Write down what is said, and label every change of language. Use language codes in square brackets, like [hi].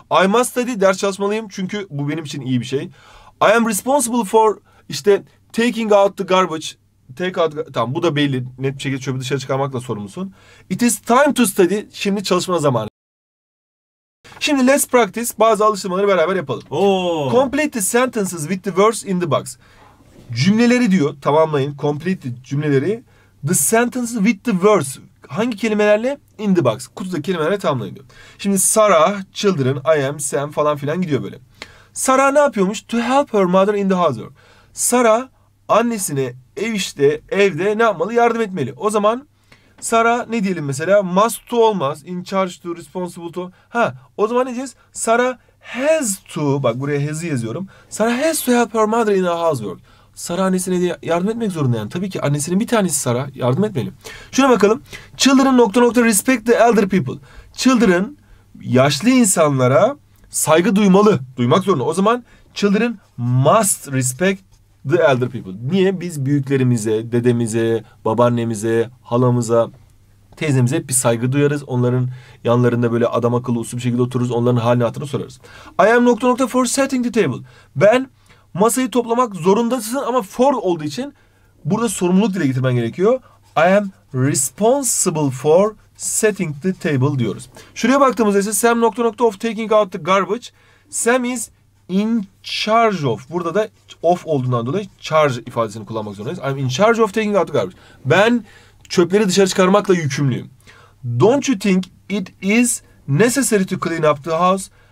[en] I must study, [tr] ders çalışmalıyım çünkü bu benim için iyi bir şey. [en] I am responsible for [tr] işte [en] taking out the garbage, [tr] tamam bu da belli, net bir şekilde çöpü dışarı çıkarmakla sorumlusun. [en] It is time to study, [tr] şimdi çalışma zamanı. Şimdi [en] let's practice, [tr] bazı alıştırmaları beraber yapalım. [en] Complete the sentences with the words in the box. [tr] Cümleleri diyor, tamamlayın, complete cümleleri. [en] The sentences with the words, [tr] hangi kelimelerle? [en] In the box, [tr] kutudaki kelimelerle tamamlayın diyor. Şimdi Sarah, children, I am, Sam falan filan gidiyor böyle. Sarah ne yapıyormuş? [en] To help her mother in the house. [tr] Sarah annesine evde ne yapmalı? Yardım etmeli. O zaman Sara ne diyelim mesela? Must to olmaz. [en] In charge to, responsible to. Ha, [tr] o zaman ne diyeceğiz? [en] Sara has to. [tr] Bak buraya has'ı yazıyorum. [en] Sara has to help her mother in her housework. [tr] Sara annesine de yardım etmek zorunda yani. Tabii ki annesinin bir tanesi Sara. Yardım etmeli. Şuna bakalım. Children nokta nokta [en] respect the elder people. [tr] Children yaşlı insanlara saygı duymalı. Duymak zorunda. O zaman [en] children must respect the elder people. [tr] Niye? Biz büyüklerimize, dedemize, babaannemize, halamıza, teyzemize hep bir saygı duyarız. Onların yanlarında böyle adam akıllı uslu bir şekilde otururuz. Onların halini hatırını sorarız. [en] I am [tr] nokta nokta [en] for setting the table. [tr] Ben masayı toplamak zorundasın ama for olduğu için burada sorumluluk dile getirmen gerekiyor. [en] I am responsible for setting the table diyoruz. [tr] Şuraya baktığımızda ise [en] Sam nokta nokta of taking out the garbage. Sam is in charge of. [tr] Burada da of olduğundan dolayı charge ifadesini kullanmak zorundayız. [en] I'm in charge of taking out the garbage. [tr] Ben çöpleri dışarı çıkarmakla yükümlüyüm. [en] Don't you think it is necessary to clean up the house?